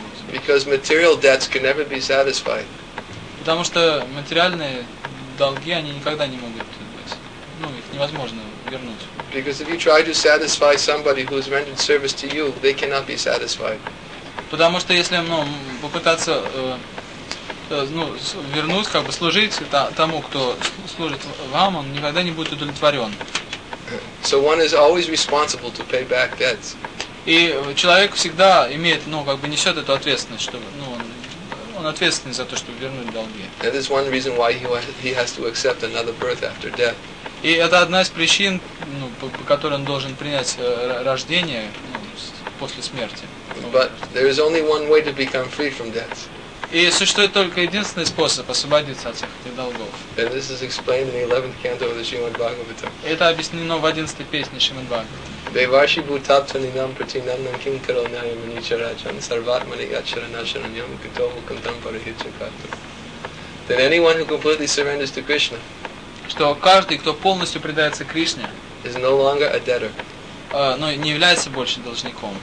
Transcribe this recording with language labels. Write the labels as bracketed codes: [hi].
[en] Because material debts can never be satisfied. [ru] Потому что материальные долги, они никогда не могут быть. Ну, их невозможно вернуть. [en] Because if you try to satisfy somebody who has rendered service to you, they cannot be satisfied. [ru] Потому что если, ну, попытаться вернуть, как бы служить тому, кто служит вам, он никогда не будет удовлетворен. [en] So one is always responsible to pay back debts. [ru] И человек всегда имеет, ну, как бы несет эту ответственность, чтобы, ну, он ответственный за то, чтобы вернуть долги. [en] That is one reason why he has to accept another birth after death. [ru] И это одна из причин, ну, по которой он должен принять рождение, ну, после смерти. [en] But there is only one way to become free from debts. [ru] И существует только единственный способ освободиться от всех этих долгов. [en] And this is explained in the 11th canto of the Srimad Bhagavatam. [ru] Это объяснено в 11-й песне Шримад Бхагаватам. Devashi bhutaptaninam pratinamnam kim karanayam anicharachan sarvatmani acharanasharanyam kutomu kantam parahichakartam. [en] That anyone who completely surrenders to Krishna, [ru] что каждый, кто полностью предается Кришне, [en] is no longer a debtor. [ru] Но не является больше должником.